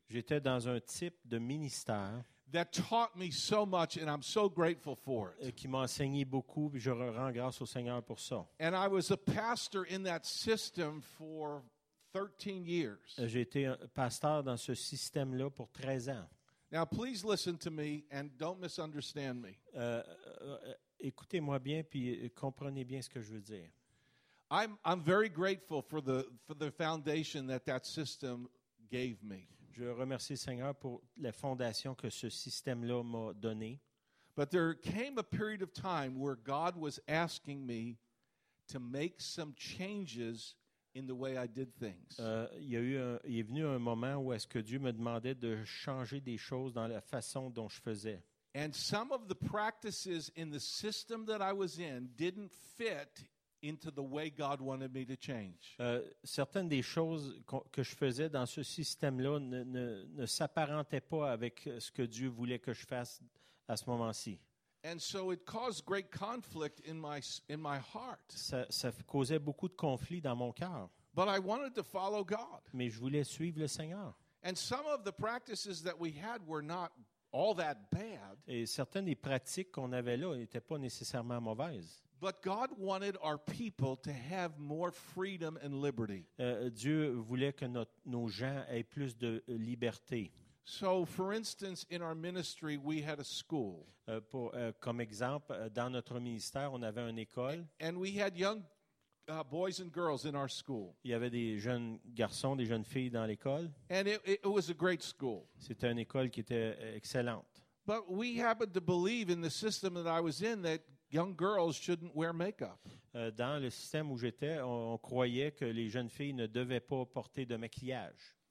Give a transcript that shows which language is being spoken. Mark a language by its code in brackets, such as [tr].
[fr] J'étais dans un type de ministère. [en] That taught me so much, and I'm so grateful for it. [fr] Qui m'a enseigné beaucoup, puis je rends grâce au Seigneur pour ça. [en] And I was a pastor in that system for 13 years. [fr] J'ai été pasteur dans ce système-là pour 13 ans. [en] Now, please listen to me and don't misunderstand me. [fr] Écoutez-moi bien, puis comprenez bien ce que je veux dire. [en] I'm very grateful for the foundation that system gave me. [fr] Je remercie le Seigneur pour la fondation que ce système-là m'a donnée. [en] But there came a period of time where God was asking me to make some changes in the way I did things. [fr] Il est venu un moment où est-ce que Dieu me demandait de changer des choses dans la façon dont je faisais. [en] And some of the practices in the system that I was in didn't fit into the way God wanted me to change. [fr] Certaines des choses que je faisais dans ce système-là ne s'apparentaient pas avec ce que Dieu voulait que je fasse à ce moment-ci. [en] And so it caused great conflict in my heart. [fr] Ça causait beaucoup de conflits dans mon cœur. [en] But I wanted to follow God. [fr] Mais je voulais suivre le Seigneur. [en] And some of the practices that we had were not all that bad. [fr] Et certaines des pratiques qu'on avait là n'étaient pas nécessairement mauvaises. [en] But God wanted our people to have more freedom and liberty. [fr] Dieu voulait que nos gens aient plus de liberté. [en] So, for instance, in our ministry, we had a school. [fr] Comme exemple, dans notre ministère, on avait une école. [en] And we had young boys and girls in our school. [fr] Il y avait des jeunes garçons, des jeunes filles dans l'école. [en] And it was a great school. [fr] C'était une école qui était excellente. [en] But we happened to believe in the system that I was in that young girls shouldn't wear makeup. [fr] Dans le système où j'étais, on croyait que les jeunes filles ne devaient pas porter de maquillage.